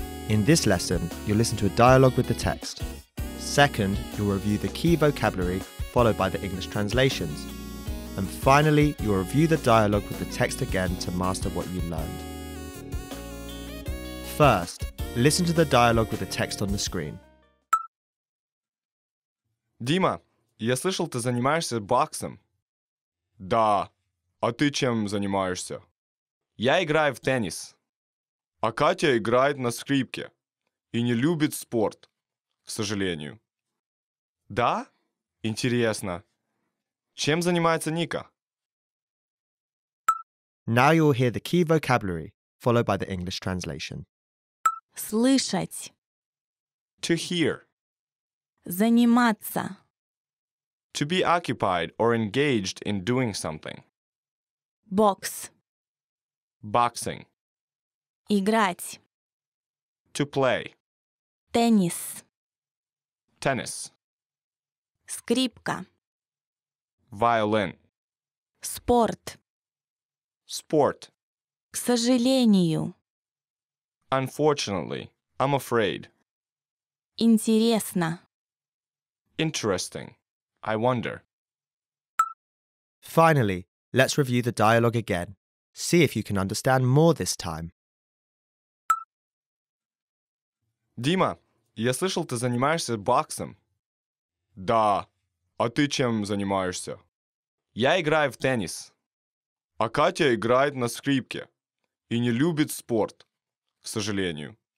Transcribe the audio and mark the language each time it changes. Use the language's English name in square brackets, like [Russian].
[English] In this lesson, you'll listen to a dialogue with the text. Second, you'll review the key vocabulary followed by the English translations. And finally, you'll review the dialogue with the text again to master what you learned. First, listen to the dialogue with the text on the screen. [Russian] Дима, я слышал, ты занимаешься боксом. Да. А ты чем занимаешься? Я играю в теннис. А Катя играет на скрипке и не любит спорт, к сожалению. Да? Интересно, чем занимается Ника? [English] Now you will hear the key vocabulary, followed by the English translation. [Russian] Слышать. [English] To hear. [Russian] Заниматься. [English] To be occupied or engaged in doing something. [Russian] Box. [English] Boxing. [Russian] Играть. [English] To play. [Russian] Теннис. [English] Tennis. [Russian] Скрипка. [English] Violin. [Russian] Спорт. [English] Sport. [Russian] К сожалению. [English] Unfortunately, I'm afraid. [Russian] Интересно. [English] Interesting. I wonder. Finally, let's review the dialogue again. See if you can understand more this time. [Russian] Дима, я слышал, ты занимаешься боксом. Да. А ты чем занимаешься? Я играю в теннис. А Катя играет на скрипке и не любит спорт, к сожалению.